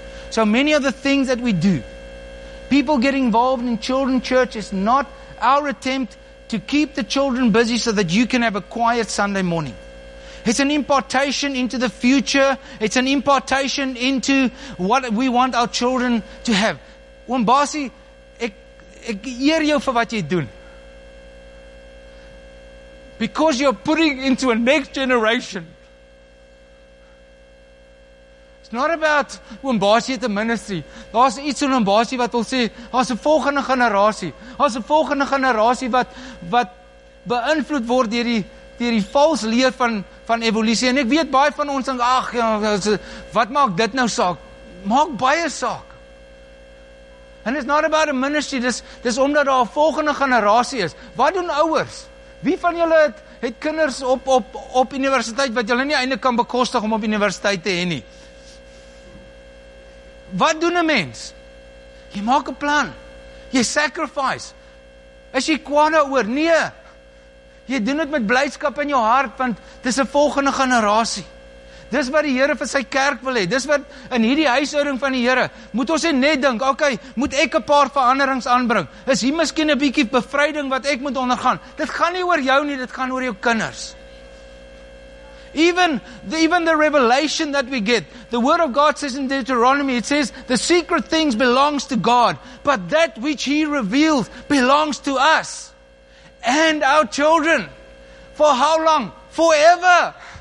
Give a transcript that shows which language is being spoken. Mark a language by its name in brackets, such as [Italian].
[English] So many of the things that we do, people get involved in children's church, is not our attempt to keep the children busy so that you can have a quiet Sunday morning. It's an impartation into the future. It's an impartation into what we want our children to have. [Afrikaans] Wombasi, ek eer jou vir wat jy doen. [English] Because you're putting into a next generation. It's not about Wombasi at the ministry. [Afrikaans] Daar's iets in Wombasi wat wil sê, daar's 'n volgende generasie. Daar's 'n volgende generasie wat beïnvloed word deur die vals leer van evolusie. En ek weet baie van ons dink, ag, wat maak dit nou saak? Maak baie saak. [English] And it's not about a ministry. [Afrikaans] Dis omdat daar 'n volgende generasie is. Wat doen ouers? Wie van julle het kinders op universiteit wat julle nie eintlik kan bekostig om op universiteit te hê nie? Wat doen 'n mens? Jy maak 'n plan. Jy sacrifice. Is jy kwaad oor? Nee. Jy doen dit met blydskap in jou hart, want dis 'n volgende generasie. Dis wat die Here vir sy kerk wil hê. Dis wat in hierdie huishouding van die Here. Moet ons net dink, okay, moet ek 'n paar veranderings aanbring? Is hier miskien 'n bietjie bevryding wat ek moet ondergaan? Dit gaan nie oor jou nie, dit gaan oor jou kinders. [English] Even the revelation that we get, the word of God says in Deuteronomy, it says, the secret things belongs to God, but that which He reveals belongs to us and our children. For how long? Forever.